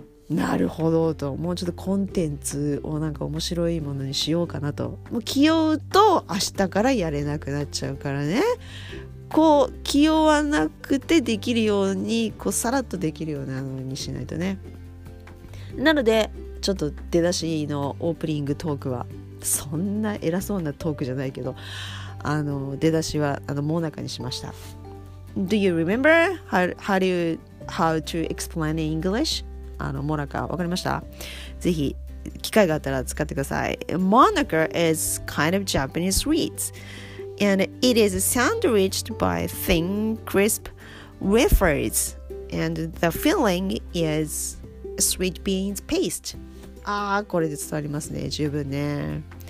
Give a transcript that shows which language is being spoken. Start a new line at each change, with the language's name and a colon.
Japanese: なるほどと、もうちょっとコンテンツをなんか面白いものにしようかなと、もう気負うと明日からやれなくなっちゃうからね、こう気負わなくてできるように、こうさらっとできるようなのにしないとね。なのでちょっと出だしのオープニングトークは、そんな偉そうなトークじゃないけど、あの出だしはあのモナカにしました。
English: Do you remember how to explain in English?
Japanese: あのモナカ分かりました？ぜひ機会があったら使ってください。
English: Monaka is kind of Japanese sweets and it is sandwiched by thin crisp wafers and the filling is sweet beans paste.
Japanese: あーこれで伝わりますね、十分ね。